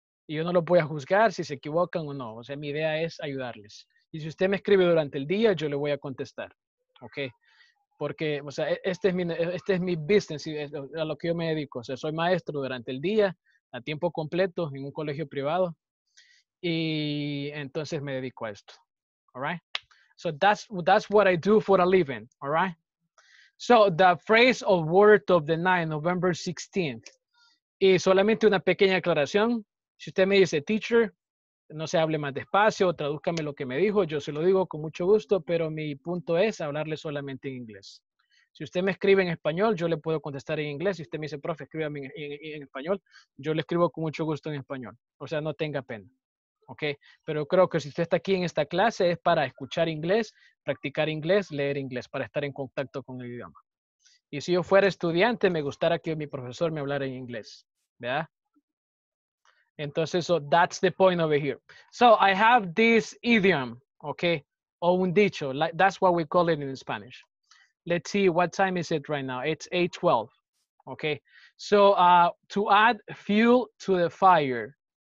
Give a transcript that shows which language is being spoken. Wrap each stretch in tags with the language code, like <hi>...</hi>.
<es>Y yo no los voy a juzgar si se equivocan o no. O sea, mi idea es ayudarles. Y si usted me escribe durante el día, yo le voy a contestar. ¿Ok? Porque, o sea, este es mi business, a lo que yo me dedico. O sea, soy maestro durante el día, a tiempo completo, en un colegio privado. Y entonces me dedico a esto.</es> <en>All right? So that's what I do for a living, all right? So the phrase or word of the night, November 16th.</en> <es>Y solamente una pequeña aclaración. Si usted me dice, teacher, no se hable más despacio, tradúzcame lo que me dijo, yo se lo digo con mucho gusto, pero mi punto es hablarle solamente en inglés. Si usted me escribe en español, yo le puedo contestar en inglés. Si usted me dice, profe, escríbame en español, yo le escribo con mucho gusto en español. O sea, no tenga pena. Okay, pero creo que si usted está aquí en esta clase es para escuchar inglés, practicar inglés, leer inglés, para estar en contacto con el idioma. Y si yo fuera estudiante, me gustaría que mi profesor me hablara en inglés, ¿verdad? Entonces,</es> <en>so that's the point over here. So I have this idiom, okay,</en> <es>o un dicho,</es> <en>like, that's what we call it in Spanish. Let's see, what time is it right now? It's 8:12, okay? So to add fuel to the fire.</en>